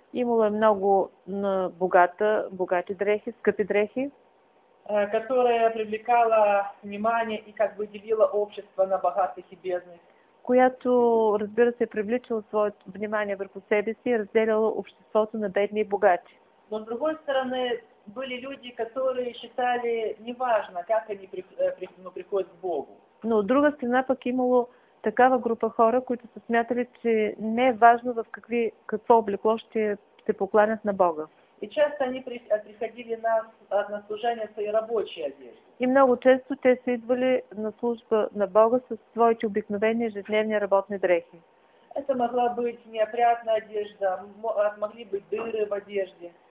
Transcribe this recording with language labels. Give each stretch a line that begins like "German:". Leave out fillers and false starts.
Bulgarian: Имало е много богати дрехи, скъпи дрехи.
Russian: Которая привлекала внимание и делила общество на богатых и бедных.
Bulgarian: Която, разбира се, привличала своето внимание върху себе си и разделяла обществото на бедни и богати.
Russian: Но с другой стороны, были люди, которые считали неважно, как они приходят к Богу.
Bulgarian: Но от друга страна пък имало такава група хора, които са смятали, че не е важно в какво облекло ще се покланят на Бога.
Russian: И часто они приходили на служение свои рабочие одежды.
Bulgarian: И много често те са идвали на служба на Бога с своите обикновени ежедневни работни дрехи.
Russian: Это могла быть неопрятная одежда, могли быть дыры в одежде.